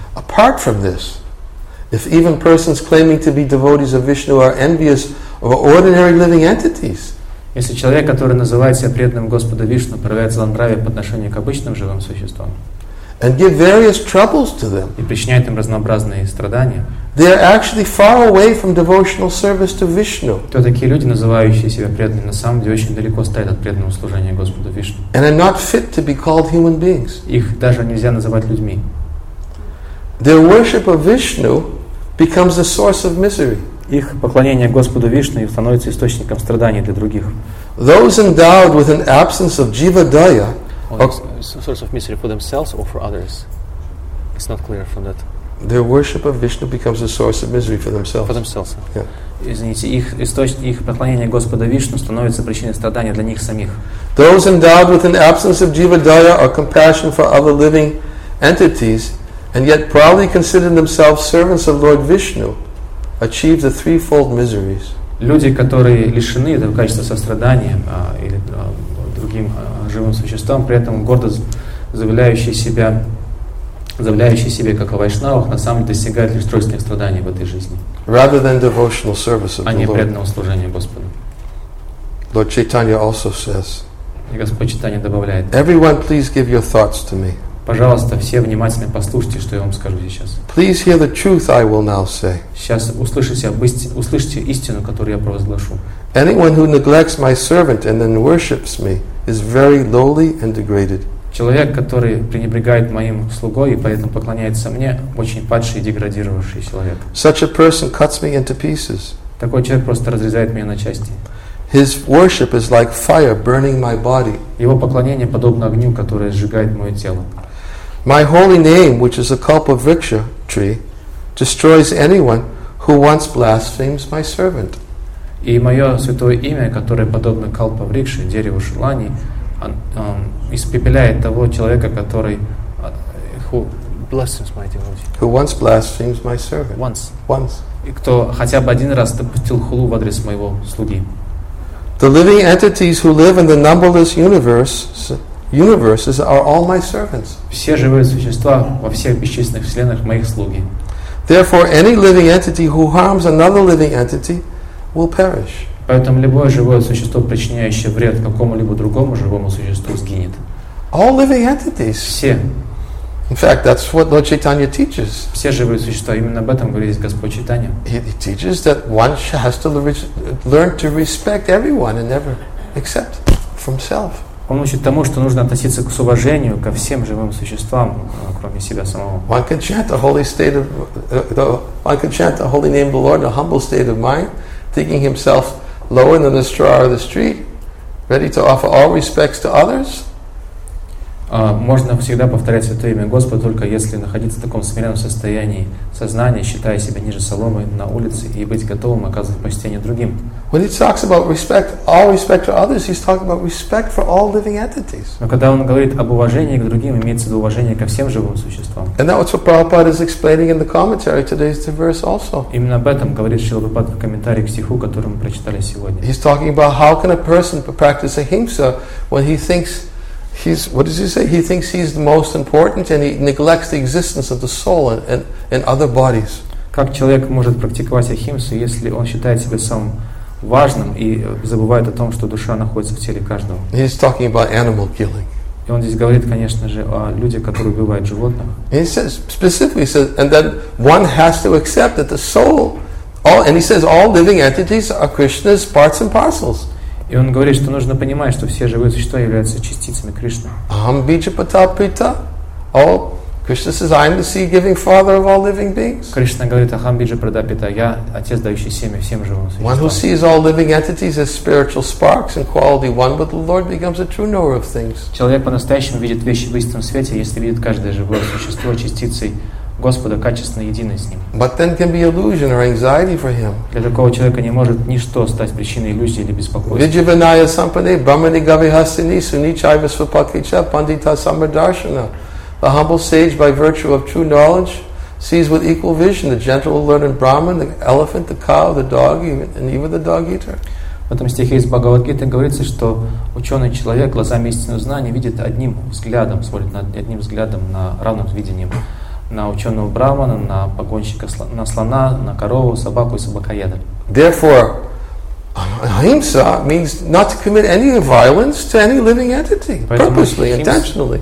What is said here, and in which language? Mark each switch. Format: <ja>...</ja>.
<en>Apart from this, if even persons claiming to be devotees of Vishnu are envious of ordinary living entities,</en> <ru>если человек, который называет себя преданным Господу Вишну, проявляет злонравие по отношению к обычным живым существам,</ru> <en>and give various troubles to them,</en> <ru>и причиняет им разнообразные страдания,</ru> <en>they are actually far away from devotional service to Vishnu.</en> <ru>То такие люди, называющие себя преданными, на самом деле очень далеко стоят от преданного служения Господу Вишну.</ru> <en>And are not fit to be called human beings.</en> <ru>Их даже нельзя называть людьми.</ru> <en>Their worship of Vishnu becomes a source of misery.</en> <ru>Их поклонение Господу Вишну становится источником страданий для других.</ru> <en>Those endowed with an absence of jiva daya, a source of misery for themselves or for others. It's not clear from that. Their worship of Vishnu becomes a source of misery for themselves. For themselves. Yeah.</en> <ru>Извините, их поклонение Господу Вишну становится причиной страдания для них самих.</ru> <en>Those endowed with an absence of jiva daya or compassion for other living entities, and yet proudly consider themselves servants of Lord Vishnu, achieve the threefold miseries.</en> <ru>Люди, которые лишены этого качества сострадания или другим живым существам, при этом гордо заявляющие себя как о вайшнавах, на самом деле достигают лишь тройственных страданий в этой жизни, а не преданного служения Господу.</ru> <en>Lord Chaitanya also says,</en> <ru>и Господь Чайтанья добавляет,</ru> <en>everyone, please give your thoughts to me.</en> <ru>Пожалуйста, все внимательно послушайте, что я вам скажу сейчас.</ru> <en>Please hear the truth I will now say.</en> <ru>Сейчас услышите истину, которую я провозглашу.</ru> <en>Anyone who neglects my servant and then worships me is very lowly and degraded.</en> <ru>Человек, который пренебрегает моим слугой и поэтому поклоняется мне, очень падший и деградировавший человек.</ru> <en>Such a person cuts me into pieces.</en> <ru>Такой человек просто разрезает меня на части.</ru> <en>His worship is like fire burning my body.</en> <ru>Его поклонение подобно огню, которое сжигает мое тело.</ru> <en>My holy name, which is a kalpa vriksha tree, destroys anyone who once blasphemes my servant.</en> <ru>И мое святое имя, которое подобно калпа врикше, дереву желаний, испепеляет того человека, который</ru> <en>who once blasphemes my servant. Once.</en> <ru>И кто хотя бы один раз допустил хулу в адрес моего слуги.</ru> <en>The living entities who live in the numberless universes are all my servants.</en> <ru>Все живые существа во всех бесчисленных вселенных моих слуги.</ru> <en>Therefore, any living entity who harms another living entity will perish.</en> <ru>Поэтому любое живое существо, причиняющее вред какому-либо другому живому существу, сгинет.</ru> <en>All living entities.</en> <ru>Все.</ru> <en>In fact, that's what Lord Chaitanya teaches.</en> <ru>Все живые существа именно об этом говорит Господь Чайтанья.</ru> <en>He teaches that one has to learn to respect everyone and never accept from self.</en> <ru>Он учит тому, что нужно относиться к уважению ко всем живым существам, кроме себя самого.</ru> <en>One can chant the holy state of one can chant the holy name of the Lord in a humble state of mind, thinking himself lower than the straw or the street, ready to offer all respects to others.</en> <ru>Можно всегда повторять Святое Имя Господа, только если находиться в таком смиренном состоянии сознания, считая себя ниже соломы на улице и быть готовым оказывать почтение другим.</ru> <en>When he talks about respect, all respect to others, he's talking about respect for all living entities.</en> <ru>Но когда он говорит об уважении к другим, имеется в виду уважение ко всем живым существам.</ru> <en>And that's what Prabhupada is explaining in the commentary today's verse also.</en> <ru>Именно об этом говорит Шрила Прабхупада в комментарии к стиху, который мы прочитали сегодня.</ru> <en>He's talking about how can a person practice ahimsa when he thinks he's, what does he say? He thinks he's the most important and he neglects the existence of the soul and other bodies.</en> <ru>Как человек может практиковать ахимсу, если он считает себя самым важным и забывает о том, что душа находится в теле каждого?</ru> <en>He's talking about animal killing.</en> <ru>И он здесь говорит, конечно же, о людях, которые убивают животных.</ru> <en>He says, specifically says, and then one has to accept that the soul, all, and he says all living entities are Krishna's parts and parcels.</en> <ru>И он говорит, что нужно понимать, что все живые существа являются частицами Кришны.</ru> <sa>Aham bija pata pita,</sa> <en>all Krishna says, I am the seed giving father of all living beings.</en> <ru>Кришна говорит,</ru> <sa>aham bija pata pita,</sa> <ru>я отец, дающий семя всем живым существам.</ru> <en>One who sees all living entities as spiritual sparks and quality one with the Lord becomes a true knower of things.</en> <ru>Человек по-настоящему видит вещи в истинном свете, если видит каждое живое существо частицей Господа, качественно единый с ним.</ru> <en>But then can be illusion or anxiety for him.</en> <ru>Для такого человека не может ничто стать причиной иллюзии или беспокойства.</ru> <sa>Vijivanaya sampane brahmani gavihasini sunichaiva svapakicha pandita samadarshana.</sa> <en>The humble sage, by virtue of true knowledge, sees with equal vision the gentle learned brahman, the elephant, the cow, the dog, and even the dog eater.</en> <ru>В этом стихе из Бхагавад-гиты говорится, что ученый человек глазами истинного знания видит одним взглядом, смотрит одним взглядом на равном видении на ученого брахмана, на погонщика, на слона, на корову, собаку и собакоеда.</ru> <en>Therefore, ahimsa means not to commit any violence to any living entity, purposely, intentionally.</en>